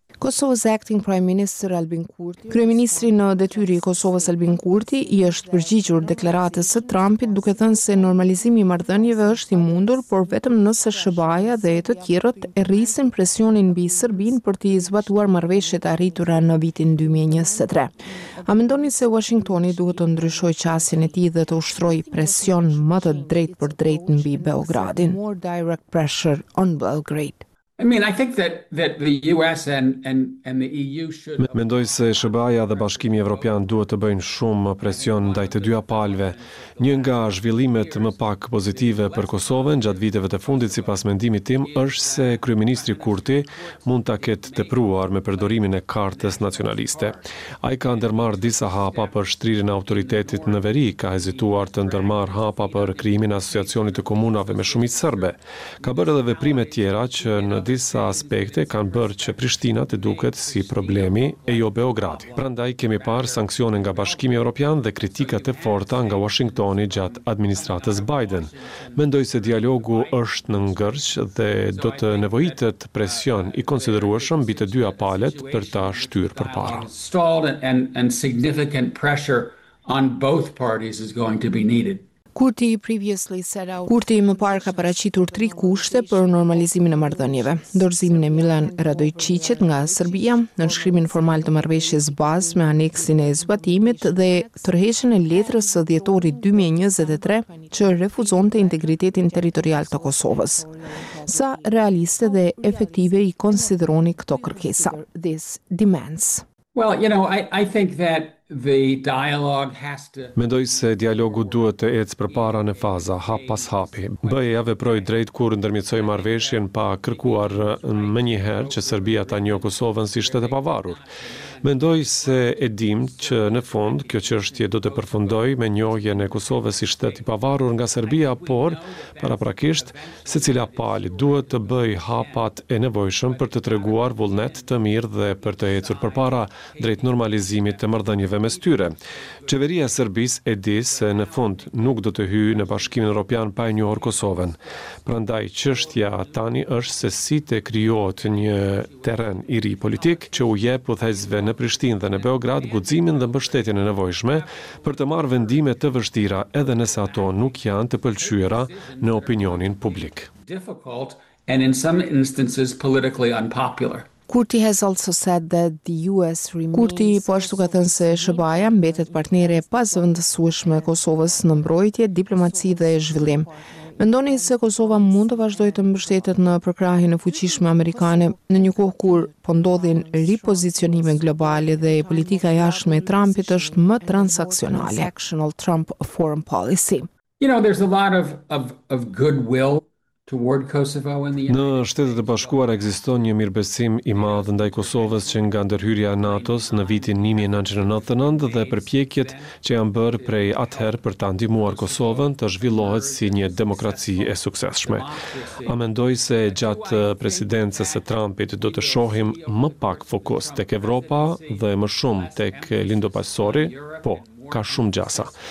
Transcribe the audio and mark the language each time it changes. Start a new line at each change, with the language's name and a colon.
Albanian: Kosovës
English: acting prime minister
Albanian: Albin Kurti, kryeministri në detyrë i Kosovës Albin Kurti, i është përgjigjur deklaratës së Trumpit duke thënë se normalizimi i marrëdhënieve është i mundur, por vetëm nëse SBA-ja dhe të tjerët e rrisin presionin mbi Serbinë për të zbatuar marrëveshjet arritura në vitin 2023. A mendoni se Washingtoni duhet të ndryshojë qasjen e tij dhe të ushtrojë presion më të drejtpërdrejtë mbi Beogradin?
English: More direct pressure on Belgrade. I mean, I think that the US and the EU should
Albanian: Mendoj se SBA-ja dhe Bashkimi Evropian duhet të bëjnë shumë presion ndaj të dyja palëve. Një nga zhvillimet më pak pozitive për Kosovën gjatë viteve të fundit sipas mendimit tim është se kryeministri Kurti mund ta ketë tepruar me përdorimin e kartës nacionaliste. Ai ka ndërmarr disa hapa për shtrirjen e autoritetit në veri, ka hezituar të ndërmarr hapa për krijimin e asociacionit të komunave me shumicë serbe. Ka bërë edhe veprime tjera që në disa aspekte kanë bërë që Prishtina të duket si problemi e jo Beogradi. Prandaj kemi parë sanksione nga Bashkimi Evropian dhe kritikat e forta nga Washingtoni gjatë administratës Biden. Mendoj se dialogu është në ngërç dhe do të nevojitet presion i konsiderueshëm mbi të dyja palët për ta shtyrë përpara.
English: Significant pressure on both parties is going to be needed.
Albanian: Kurti më parë ka paraqitur tri kushte për normalizimin e marrëdhënieve: dorëzimin e Milan Radojčićit nga Serbia, nënshkrimin formal të marrëveshjes bazë me aneksin e zbatimit dhe tërheqjen e letrës së dhjetorit 2023 që refuzonte integritetin territorial të Kosovës. Sa realiste dhe efektive i konsideroni këto kërkesa?
English: This demands. Well, you know, I think that the dialogue has to
Albanian: Mendoj se dialogu duhet të ecë përpara në faza hap pas hapi. BE-ja veproi drejt kur ndërmjetësoi marrëveshjen pa kërkuar më njëherë që Serbia ta njohë Kosovën si shtet e pavarur. Mendoj se e dim që në fund kjo çështje do të përfundojë me njohjen e Kosovës si shtet i pavarur nga Serbia, por paraprakisht secila palë duhet të bëjë hapat e nevojshëm për të treguar vullnet të mirë dhe për të ecur përpara drejt normalizimit të marrëdhënieve mes tyre. Qeveria Serbisë e di se në fund nuk do të hyjë në Bashkimin Evropian pa e njohur Kosovën. Prandaj çështja tani është se si të krijohet një terren i ri politik që u jep udhëheqësve në Prishtinë dhe në Beograd guximin dhe mbështetjen e nevojshme për të marrë vendime të vështira edhe nëse ato nuk janë të pëlqyera në opinionin publik.
English: Difficult and in some instances politically unpopular. Kurti has also said that the US remains.
Albanian: Kurti po ashtu ka thënë se SBA mbetet partnere e pazëvendësueshme e Kosovës në mbrojtje, diplomaci dhe zhvillim. Mendoni se Kosova mund të vazhdojë të mbështetet në përkrahjen e fuqishme amerikane në një kohë kur po ndodhin ripozicionime globale dhe politika jashtme e Trumpit është më transaksionale?
English: Trump foreign policy. You know, there's a lot of goodwill toward Kosovo and the United States.
Albanian: Në Shtetet e Bashkuara ekziston një mirëbesim i madh ndaj Kosovës që nga ndërhyrja e NATO-s në vitin 1999 dhe përpjekjet që janë bërë prej atëherë për ta ndihmuar Kosovën të zhvillohet si një demokraci e suksesshme. A mendoj se gjatë presidencës së Trumpit do të shohim më pak fokus tek Evropa dhe më shumë tek lindopasori? Po. Ka shumë gjasa.